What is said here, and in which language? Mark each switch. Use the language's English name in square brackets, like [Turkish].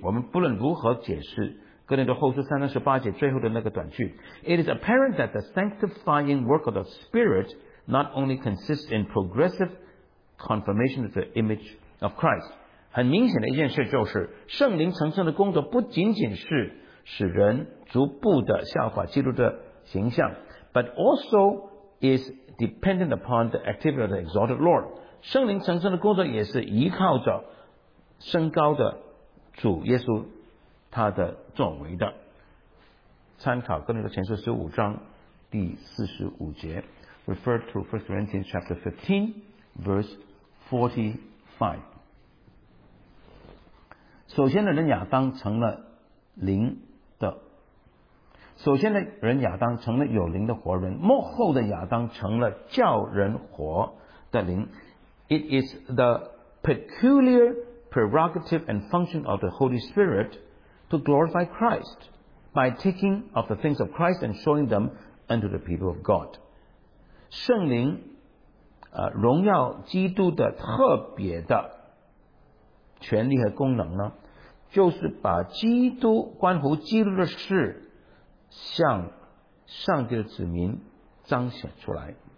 [Chinese] 我们不论如何解释哥林多后书三章十八节最后的那个短句， [English] It is apparent that the sanctifying work of the Spirit not only consists in progressive confirmation of the image of Christ. [Chinese] 很明显的一件事就是圣灵成圣的工作不仅仅是使人逐步的效法基督的形象， [English] but also is dependent upon the activity of the exalted Lord. [Chinese] 圣灵成圣的工作也是依靠着升高的主耶稣他的作为的。参考哥林多前书十五章第四十五节， [English] refer to 1 Corinthians chapter 15 verse 45。 [Chinese] 首先的人亚当成了灵的，首先的人亚当成了有灵的活人，末后的亚当成了叫人活的灵。 [English] It is the peculiar prerogative and function of the Holy SpiritTo glorify Christ by taking of the things of Christ and showing them unto the people of God. [Chinese] 圣灵荣耀基督的特别的权利和功能呢，就是把基督关乎基督的事向上帝的子民彰显出来。